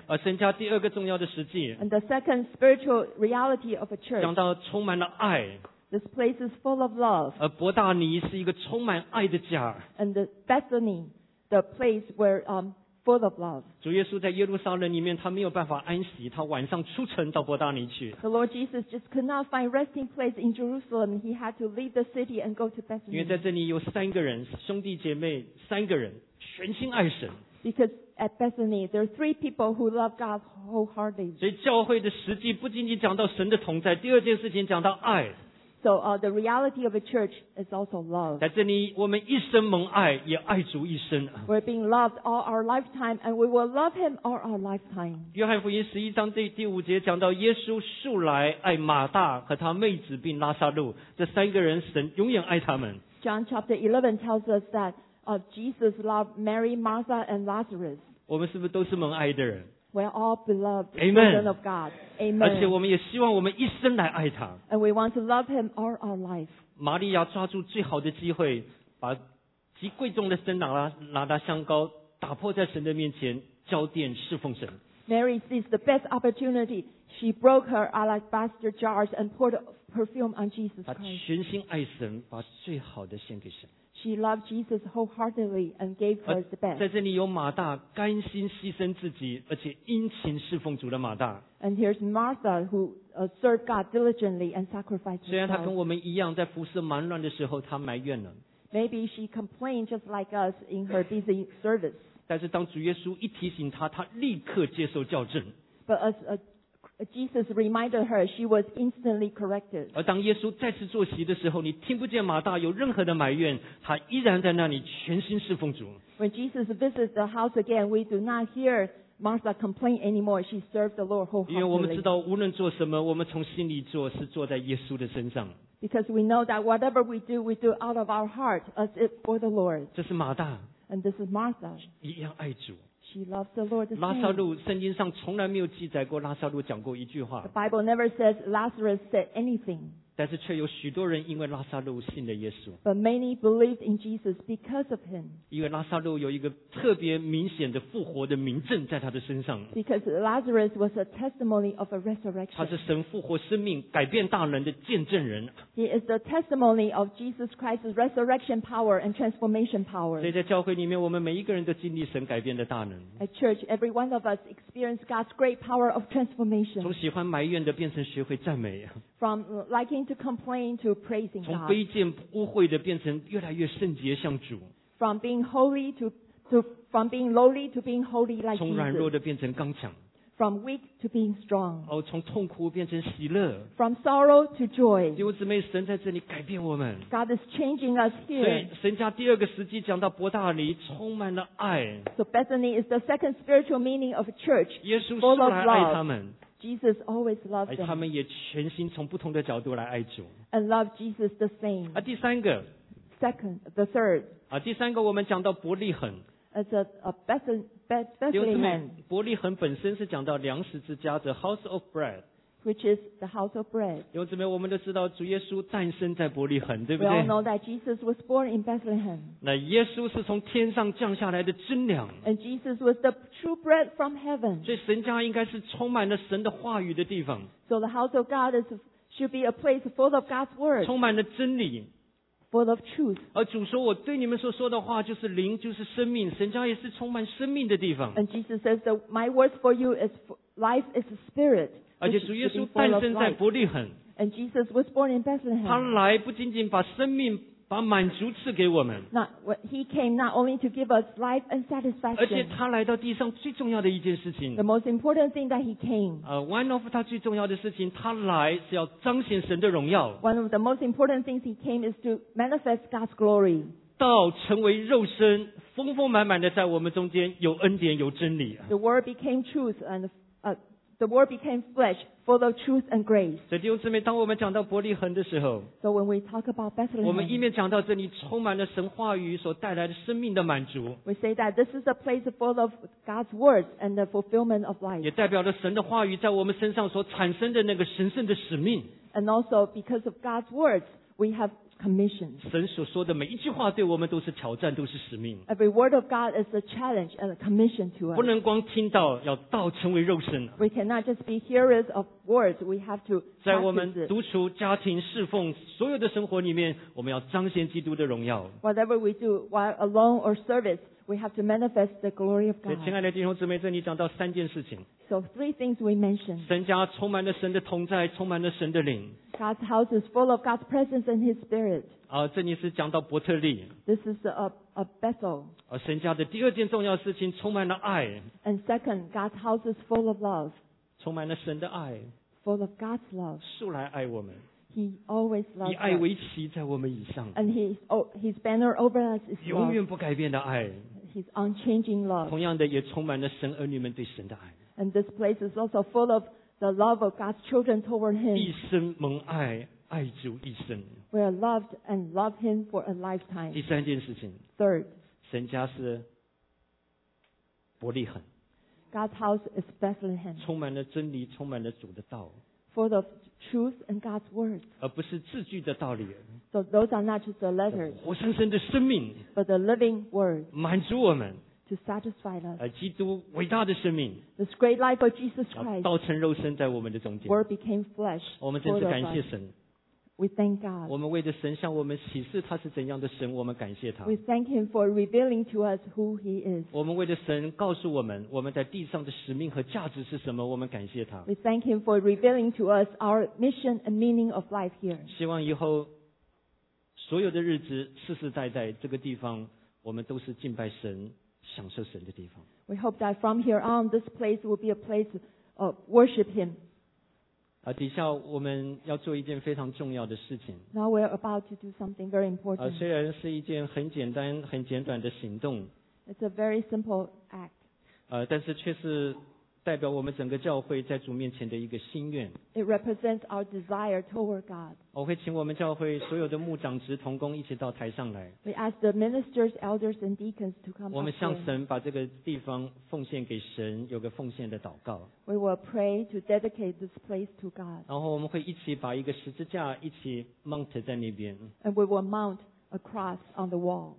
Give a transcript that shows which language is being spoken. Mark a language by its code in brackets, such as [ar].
[zh] 而神家第二个重要的实际。 [en] And the secondspiritual reality of a church. [zh] 讲到充满了爱。 [en] This place is full of love. [zh] 伯大尼是一个充满爱的家。 [en] And the Bethany, the place where full of love. [zh] 主耶稣在耶路撒冷里面，他没有办法安息，他晚上出城到伯大尼去。 [en] The Lord Jesus just could not find resting place in Jerusalem. He had to leave the city and go to Bethany. [zh] 因为在这里有三个人，兄弟姐妹三个人，全心爱神。 [en] Because at Bethany, there are three people who love God wholeheartedly. [zh] 所以教会的实际不仅仅讲到神的同在，第二件事情讲到爱。 [en] So the reality of a church is also love. [zh] 在这里，我们一生蒙爱，也爱主一生。 [en] We're being loved all our lifetime, and we will love Him all our lifetime. [zh] 约翰福音十一章第五节讲到，耶稣素来爱马大和他妹子并拉撒路这三个人，神永远爱他们。 [en] John chapter 11 tells us that Jesus loved Mary, Martha, and Lazarus. [zh] 我们是不是都是蒙爱的人？ [en] We're all beloved Amen. Children of God. Amen. [zh] 而且我们也希望我们一生来爱他。 [en] And we want to love him all our life. [zh] 玛利亚抓住最好的机会，把极贵重的身拿到香膏，打破在神的面前，浇奠侍奉神。 [en] Mary seized the best opportunity. She broke her alabaster jars and poured perfume on Jesus Christ. [zh] 她全心爱神，把最好的献给神。 [en] She loved Jesus wholeheartedly and gave her the best. [zh] 在这里有马大，甘心牺牲自己，而且殷勤侍奉主的马大。 [en] And here's Martha who served God diligently and sacrificed herself. [zh] 虽然她跟我们一样，在服侍忙乱的时候，她埋怨了。 [en] Maybe she complained just like us in her busy service. [zh] 但是当主耶稣一提醒她，她立刻接受校正。 [en] But as Jesus reminded her, she was instantly corrected. [zh] 而当耶稣再次坐席的时候，你听不见马大有任何的埋怨，他依然在那里全心侍奉主。 [en] When Jesus visits the house again, we do not hear Martha complain anymore. She served the Lord wholeheartedly. [zh] 因为我们知道，无论做什么，我们从心里做，是做在耶稣的身上。 [en] Because we know that whatever we do out of our heart, as if for the Lord. [zh] 这是马大。 [en] And this is Martha. [zh] 一样爱主。 [en] She loves the Lord the same. [zh] 拉撒路圣经上从来没有记载过拉撒路讲过一句话。 [en] The Bible never says Lazarus said anything. [zh] 但是却有许多人因为拉撒路信了耶稣。 [en] But many believed in Jesus because of him. [zh] 因为拉撒路有一个特别明显的复活的明证在他的身上。 [en] Because Lazarus was a testimony of a resurrection. [zh] 他是神复活生命改变大能的见证人。 [en] He is the testimony of Jesus Christ's resurrection power and transformation power. [zh] 所以在教会里面，我们每一个人都经历神改变的大能。 [en] At church, every one of us experienced God's great power of transformation. [zh] 从喜欢埋怨的变成学会赞美。 [en] From liking to complain to praising God. [zh] 从卑贱污秽的变成越来越圣洁像主。 [en] From being holy from being lowly to being holy like Jesus. [zh] 从软弱的变成刚强。 [en] From weak to being strong. [zh] 哦，从痛苦变成喜乐。 [en] From sorrow to joy. [zh] 弟兄姊妹，神在这里改变我们。 [en] God is changing us here. [zh] 所以神家第二个实际讲到伯大尼充满了爱。 [en] So Bethany is the second spiritual meaning of a church. [zh] 耶稣素来爱他们。 [en] Jesus always loved them. [zh] 他们也全心从不同的角度来爱主。 [en] And love Jesus the same. [zh] 啊，第三个。 [en] Second, the third. [zh] 啊，第三个我们讲到伯利恒。 [en] It's a Bethlehem. [zh] 伯利恒本身是讲到粮食之家 ， [en] the house of bread. Which is the house of bread. [zh] 弟兄姊妹，我们都知道主耶稣诞生在伯利恒，对不对 [en] ？We all know that Jesus was born in Bethlehem. [zh] 那耶稣是从天上降下来的真粮。 [en] And Jesus was the true bread from heaven. [zh] 所以神家应该是充满了神的话语的地方。 [en] So the house of God should be a place full of God's word. [zh] 充满了真理。 [en] Full of truth. [zh] 而主说，我对你们所说的话就是灵，就是生命。神家也是充满生命的地方。 [en] And Jesus says that my words for you is life is spirit. [zh] 而且主耶稣诞生在伯利恒。 [en] And Jesus was born in Bethlehem. [zh] 他来不仅仅把生命、把满足赐给我们。 [en] He came not only to give us life and satisfaction. [zh] 而且他来到地上最重要的一件事情。 [en] The most important thing that he came. One of [zh] 他最重要的事情，他来是要彰显神的荣耀。 [en] One of the most important things he came is to manifest God's glory. [zh] 道成为肉身，丰丰满满的在我们中间，有恩典，有真理。 [en] The word became truth and the word became flesh, full of truth and grace. [zh] 所以弟兄姊妹，当我们讲到伯利恒的时候， [en] so when we talk about Bethlehem, [zh] 我们一面讲到这里充满了神话语所带来的生命的满足， [en] we say that this is a place full of God's words and the fulfillment of life. [zh] 也代表了神的话语在我们身上所产生的那个神圣的使命。 [en] And also because of God's words, we have commission. [zh] 神所说的每一句话对我们都是挑战，都是使命。 [en] Every word of God is a challenge and a commission to us. [zh] 不能光听到，要道成为肉身。 [en] We cannot just be hearers of words. We have to practice it. [zh] 在我们独处、家庭、侍奉所有的生活里面，我们要彰显基督的荣耀。 [en] Whatever we do, while alone or service, we have to manifest the glory of God. [zh] 亲爱的弟兄姊妹，这里讲到三件事情。 [en] So three things we mentioned. [zh] 神家充满了神的同在，充满了神的灵。 [en] God's house is full of God's presence and His Spirit. [zh] 啊，这里是讲到伯特利。 [en] This is a Bethel. [zh] 啊，神家的第二件重要事情，充满了爱。 [en] And second, God's house is full of love. [zh] 充满了神的爱。 [en] Full of God's love. [zh] 素来爱我们。 [en] He always loves us. [zh] 以爱为旗在我们以上。 [en] And his banner over us is love. [zh] 永远不改变的爱。 [en] His unchanging love. [zh] 同样的，也充满了神儿女们对神的爱。 [en] And this place is also full of the love of God's children toward Him. [zh] 一生蒙爱，爱足一生。 [en] We are loved and love Him for a lifetime. [zh] 第三件事情。 [en] Third. [zh] 神家是伯利恒。 [en] God's house is Bethlehem. [zh] 充满了真理，充满了主的道。 [en] Full of truth and God's words. [zh] 而不是字句的道理。 [en] So those are not just the letters. [zh] 活生生的生命。 [en] But the living word. [zh] 满足我们。 [en] To satisfy us. [zh] 基督伟大的生命。 [en] This great life of Jesus Christ. [zh] 道成肉身在我们的中间。 [en] Word became flesh. [zh] 我们真是感谢神。 [en] We thank God. [zh] 我们为着神向我们启示他是怎样的神，我们感谢他。 [en] We thank Him for revealing to us who He is. [zh] 我们为着神告诉我们我们在地上的使命和价值是什么，我们感谢他。 [en] We thank Him for revealing to us our mission and meaning of life here. [zh] 希望以后所有的日子，世世代代，这个地方我们都是敬拜神、享受神的地方。 [en] We hope that from here on, this place will be a place of worship Him. [zh] 底下我们要做一件非常重要的事情。 [en] Now we are about to do something very important. [zh] 虽然是一件很简单、很简短的行动。 [en] It's a very simple act. [zh] 但是却是代表我们整个教会在主面前的一个心愿。 [en] It represents our desire toward God. [zh] 我会请我们教会所有的牧长、职同工一起到台上来。 [en] We ask the ministers, elders, and deacons to come. [zh] 我们向神把这个地方奉献给神，有个奉献的祷告。 [en] We will pray to dedicate this place to God. [zh] 然后我们会一起把一个十字架一起 mount 在那边。 [en] And we will mount a cross on the wall.